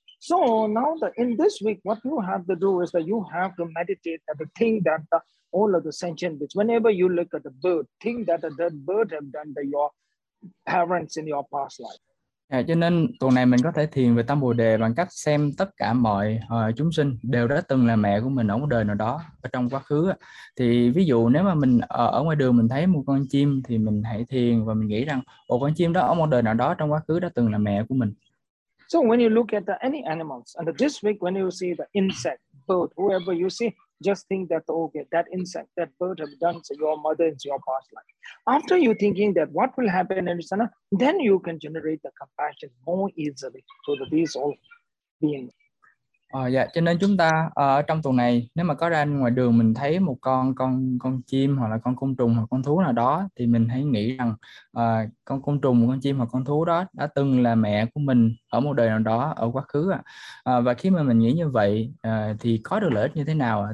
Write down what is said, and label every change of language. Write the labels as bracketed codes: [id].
[en] So now the, in this week, what you have to do is that you have to meditate that the thing that the, all of the sentient beings, whenever you look at the bird, think that the bird have done to your parents in your past life. [vi] À, cho nên tuần này mình có thể thiền về tâm Bồ Đề bằng cách xem tất cả mọi chúng sinh đều đã từng là mẹ của mình ở một đời nào đó ở trong quá khứ. Thì ví dụ nếu mà mình ở ngoài đường mình thấy một con chim thì mình hãy thiền và mình nghĩ rằng ồ, con chim đó ở một đời nào đó trong quá khứ đã từng là mẹ của mình. [en] So when you look at the, any animals and this week when you see the insect, bird, whoever you see, just think that okay, that insect, that bird have done to your mother in your past life. After you thinking that what will happen in Sana, then you can generate the compassion more easily to the, these all beings. [vi] Cho nên chúng ta ở trong tuần này, nếu mà có ra ngoài đường mình thấy một con chim hoặc là con côn trùng hoặc con thú nào đó, thì mình hãy nghĩ rằng con côn trùng, con chim hoặc con thú đó đã từng là mẹ của mình ở một đời nào đó ở quá khứ. Và khi mà mình nghĩ như vậy thì có được lợi ích như thế nào?